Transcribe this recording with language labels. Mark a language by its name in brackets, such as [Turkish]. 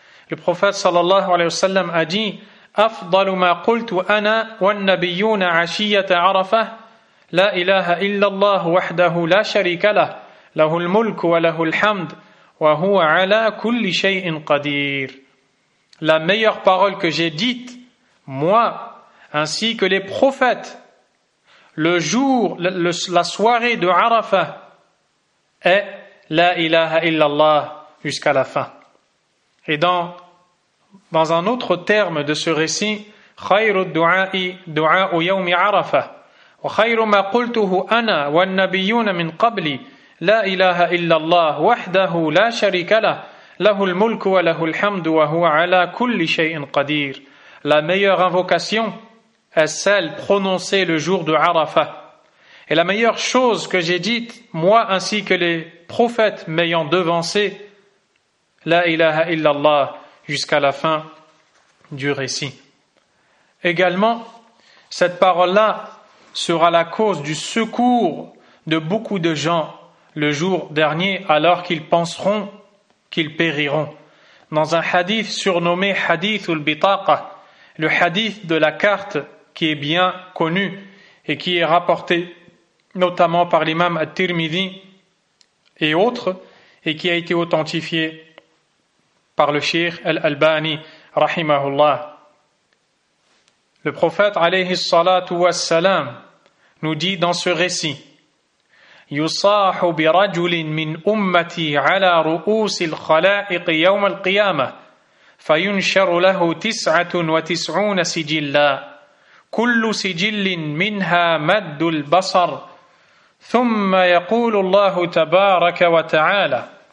[French] Le prophète sallallahu alayhi wa sallam a dit « [Arabic] أفضل ما قلت أنا والنبيون عشية عرفة لا إله إلا الله وحده لا شريك له له الملك وله الحمد وهو على كل شيء قدير [French] » La meilleure parole que j'ai dite, moi, ainsi que les prophètes, le jour, la soirée de Arafa, est « La ilaha illallah » jusqu'à la fin. Et dans un autre terme de ce récit, [Arabic] « خير الدعاء دعاء يوم عرفة وخير ما قلته أنا والنبيون من قبلي لا إله إلا الله وحده لا شريك له له الملك وله الحمد وهو على كل شيء قدير » [French] La meilleure invocation est celle prononcée le jour de Arafa. Et la meilleure chose que j'ai dite, moi ainsi que les prophètes m'ayant devancé, « La ilaha illallah » jusqu'à la fin du récit. Également, cette parole-là sera la cause du secours de beaucoup de gens le jour dernier, alors qu'ils penseront qu'ils périront. Dans un hadith surnommé « Hadith al-Bitaqa », le hadith de la carte qui est bien connu et qui est rapporté notamment par l'imam al-Tirmidhi et autres, et qui a été authentifié par le Cheikh al-Albani, rahimahullah. Le prophète, alayhi salatu wassalam, nous dit dans ce récit, [Arabic] « Yusahu bi rajulin min ummati ala ru'usil khala'iq yawm al-qiyamah, fayunsharu lahu 99 sijilla, kullu sijillin minha maddul basar, ثم يقول الله تبارك وتعالى